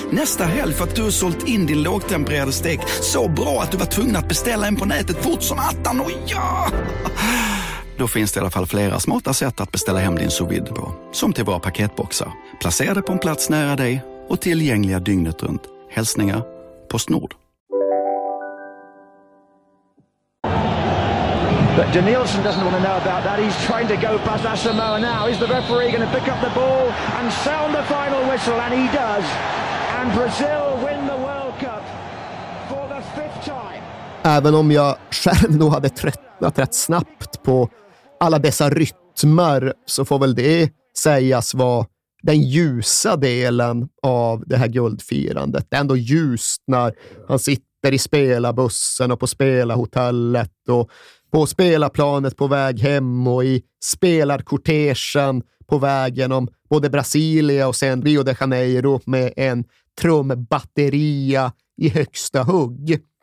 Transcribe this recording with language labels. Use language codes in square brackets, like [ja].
[sv] Nästa helg för att du sålt in din lågtempererade stek. Så bra att du var tvungen att beställa en på nätet fort som attan. Och ja! Då finns det i alla fall flera smarta sätt att beställa hem din sous vide på. Som till våra paketboxar. Placerade på en plats nära dig. Och tillgängliga dygnet runt. Hälsningar på Postnord. [en] But Danielson doesn't want to know about that. He's trying to go past Asamoah now. Is the referee going to pick up the ball and sound the final whistle? And he does. And Brazil win the World Cup for the fifth time. [sv] Även om jag själv nog hade tröttnat rätt snabbt på alla dessa rytmer, så får väl det sägas vara den ljusa delen av det här guldfirandet. Det är ändå ljust när han sitter i spelarbussen och på spelarhotellet och på spelarplanet på väg hem och i spelarkortegen på väg genom både Brasilia och sen Rio de Janeiro med en trumbatteria i högsta hugg.